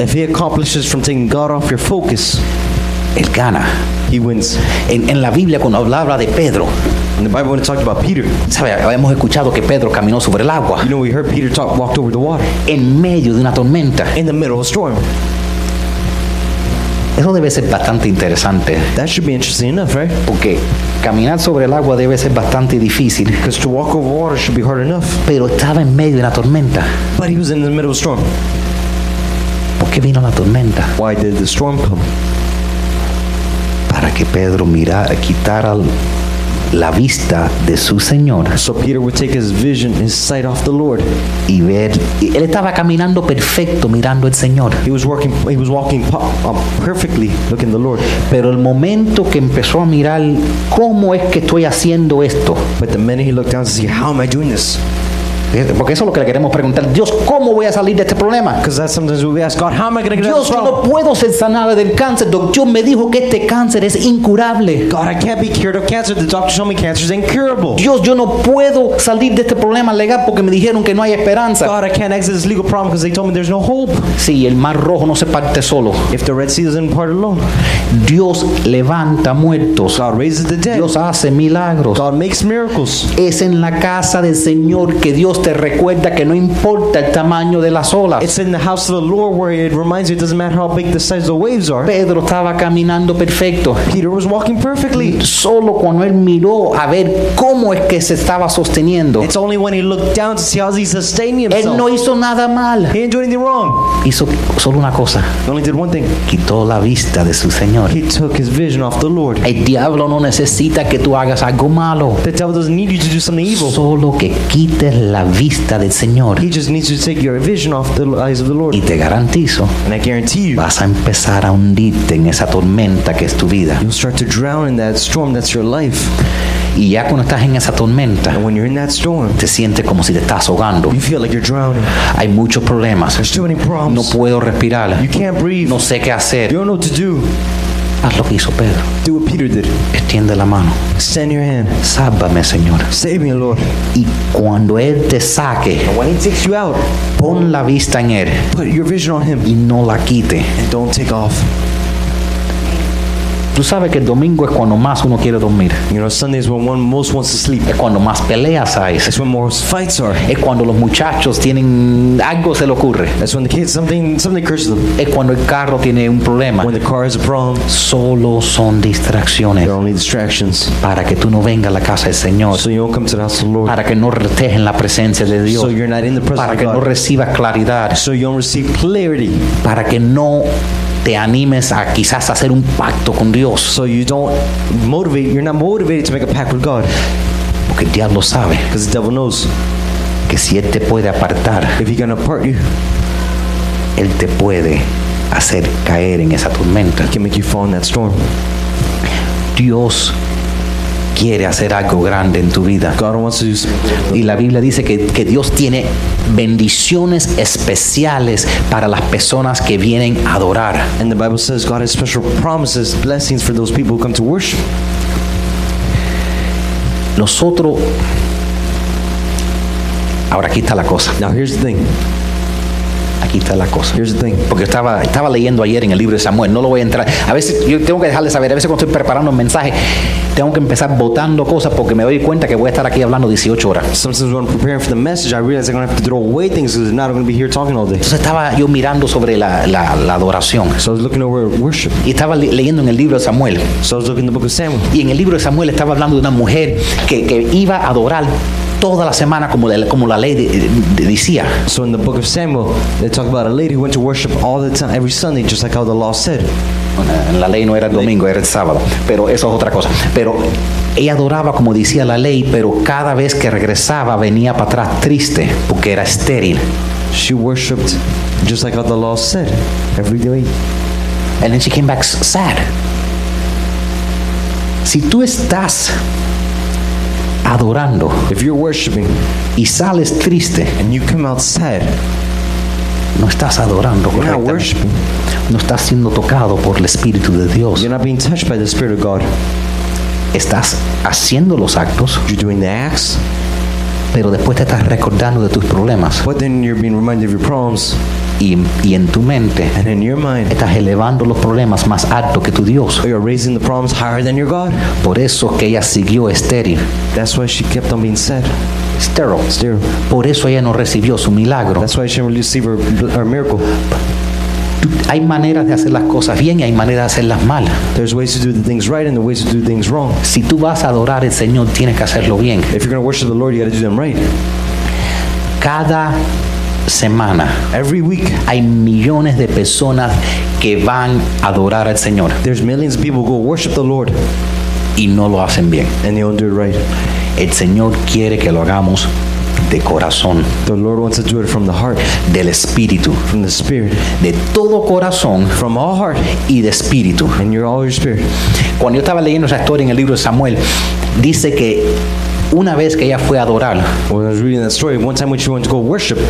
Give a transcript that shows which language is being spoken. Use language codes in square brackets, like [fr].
[en] if he accomplishes from taking God off your focus, [es] él gana. [en] He wins. [es] En la Biblia cuando habla de Pedro, [en] in the Bible when it talked about Peter, [es] ¿sabe? Hemos escuchado que Pedro caminó sobre el agua. [en] You know, we heard Peter walked over the water. [es] En medio de una tormenta. [en] In the middle of a storm. [es] Eso debe ser bastante interesante. [en] That should be interesting enough, right? [es] Porque caminar sobre el agua debe ser bastante difícil. [en] Because to walk over water should be hard enough. [es] Pero estaba en medio de una tormenta. [en] But he was in the middle of a storm. [es] ¿Por qué vino la tormenta? [en] Why did the storm come? [es] Para que Pedro quitara la vista de su Señor. [en] So Peter would take his vision, his sight off the Lord. [es] Y ver, él estaba caminando perfecto mirando al Señor. [en] He was walking perfectly looking at the Lord. [es] Pero el momento que empezó a mirar, ¿cómo es que estoy haciendo esto? [en] But the minute he looked down to see, how am I doing this? [es] Porque eso es lo que le queremos preguntar. Dios, ¿cómo voy a salir de este problema? [en] Because that's sometimes we ask God, how am I going to get [es] Dios, [en] out of this problem? [es] Dios, yo no puedo ser sanado del cáncer. Doctor me dijo que este cáncer es incurable. [en] God, I can't be cured of cancer. The doctor told me cancer is incurable. [es] Dios, yo no puedo salir de este problema legal porque me dijeron que no hay esperanza. [en] God, I can't exit this legal problem because they told me there's no hope. [es] Sí, el mar rojo no se parte solo. [en] If the Red Sea doesn't part alone. [es] Dios levanta muertos. [en] God raises the dead. [es] Dios hace milagros. [en] God makes miracles. [es] Es en la casa del Señor que Dios te recuerda que no importa el tamaño de las olas. [en] It's in the house of the Lord where it reminds you it doesn't matter how big the size of the waves are. [es] Pedro estaba caminando perfecto. [en] Peter was walking perfectly. [es] Solo cuando él miró a ver cómo es que se estaba sosteniendo. [en] It's only when he looked down to see how he's sustaining himself. [es] Él no hizo nada mal. [en] He didn't do anything wrong. [es] Hizo solo una cosa. [en] He only did one thing. [es] Quitó la vista de su Señor. [en] He took his vision off the Lord. [es] El diablo no necesita que tú hagas algo malo. [en] The devil doesn't need you to do something evil. [es] Solo que quites la vista del Señor. [en] He just needs you to take your vision off the eyes of the Lord. [es] Y te garantizo, [en] and I guarantee you, [es] vas a empezar a hundirte en esa tormenta que es tu vida. [en] You'll start to drown in that storm that's your life. [es] Y ya cuando estás en esa tormenta, [en] and when you're in that storm, [es] te sientes como si te estás ahogando. [en] You feel like you're drowning. [es] Hay muchos problemas. [en] There's too many problems. [es] No puedo respirar. [en] You can't breathe. [es] No sé qué hacer. [en] You don't know what to do. [es] Haz lo que hizo Pedro. [en] Do what Peter did. [es] Extiende la mano. [en] Extend your hand. [es] Sálvame, Señor. [en] Save me, Lord. [es] Y cuando Él te saque, [en] and when He takes you out, [es] pon la vista en Él. [en] Put your vision on Him. [es] Y no la quite. [en] And don't take off. [es] Tú sabes que el domingo es cuando más uno quiere dormir. [en] You know, Sunday is when one most wants to sleep. [es] Es cuando más peleas hay. [en] It's when more fights are. [es] Es cuando los muchachos tienen algo se le ocurre. [en] That's when the kids something curses them. [es] Es cuando el carro tiene un problema. [en] When the car has a problem. [es] Solo son distracciones. [en] They're only distractions. [es] Para que tú no vengas a la casa del Señor. [en] So you don't come to the house of the Lord. [es] Para que no estés en la presencia de Dios. [en] So you're not in the presence. [es] Para que [en] of God. [es] No recibas claridad. [en] So you don't receive clarity. [es] Para que no te animes a quizás hacer un pacto con Dios. [en] So you don't motivate, you're not motivated to make a pact with God. [es] Porque el diablo sabe. [en] Because the devil knows. [es] Que si él te puede apartar, [en] if he can apart you, [es] él te puede hacer caer en esa tormenta. [en] He can make you fall in that storm. [es] Dios quiere hacer algo grande en tu vida. [en] God wants to do something. [es] Y la Biblia dice que Dios tiene bendiciones especiales para las personas que vienen a adorar. [en] And the Bible says God has special promises, blessings for those people who come to worship. [es] Nosotros, ahora aquí está la cosa. [en] Now here's the thing. [es] Aquí está la cosa. [en] Here's the thing. [es] Porque estaba leyendo ayer en el libro de Samuel. No lo voy a entrar. A veces yo tengo que dejarle saber. A veces cuando estoy preparando un mensaje, tengo que empezar botando cosas porque me doy cuenta que voy a estar aquí hablando 18 horas. [en] Sometimes when I'm preparing for the message, I realize I'm going to have to throw away things because if not, I'm going to be here talking all day. [es] Entonces estaba yo mirando sobre la adoración. [en] So I was looking over worship. [es] Y estaba leyendo en el libro de Samuel. [en] So I was looking in the book of Samuel. [es] Y en el libro de Samuel estaba hablando de una mujer que iba a adorar toda la semana como la ley decía. [en] So in the book of Samuel, they talk about a lady who went to worship all the time, every Sunday, just like how the law said. [es] La ley no era el domingo, era el sábado. Pero eso es otra cosa. Pero ella adoraba como decía la ley, pero cada vez que regresaba venía para atrás triste porque era estéril. [en] She worshipped just like how the law said, every day. And then she came back sad. [es] Si tú estás adorando, [en] if you're worshiping, [es] y sales triste, [en] and you come out sad, [es] no estás adorando correctamente. [en] You're not worshiping. [es] No estás siendo tocado por el Espíritu de Dios. [en] You're not being touched by the Spirit of God. [es] Estás haciendo los actos. [en] You're doing the acts. [es] Pero después te estás recordando de tus problemas. [en] But then you're being reminded of your problems. [es] Y en tu mente, [en] and in your mind, [es] estás elevando los problemas más alto que tu Dios. [en] You're raising the problems higher than your God. [es] Por eso que ella siguió estéril. [en] That's why she kept on being sad. [es] Sterile. Por eso ella no recibió su milagro. [en] That's why she didn't receive her miracle. [es] Hay maneras de hacer las cosas bien y hay maneras de hacerlas mal. [en] There's ways to do the things right and the ways to do things wrong. [es] Si tú vas a adorar al Señor, tienes que hacerlo bien. [en] If you're going to worship the Lord, you got to do them right. [es] Cada semana, [en] every week, [es] hay millones de personas que van a adorar al Señor. [en] There's millions of people who go worship the Lord. [es] y no lo hacen bien. [en] And they don't do it right. [es] El Señor quiere que lo hagamos de corazón. [en] The Lord wants to do it from the heart. [es] Del espíritu. [en] From the spirit. [es] De todo corazón. [en] From all heart. [es] Y de espíritu. [en] And you're all your spirit. [es] Cuando yo estaba leyendo esa historia en el libro de Samuel, dice que una vez que ella fue a adorar, [en] when I was reading that story, one time when she went to go worship,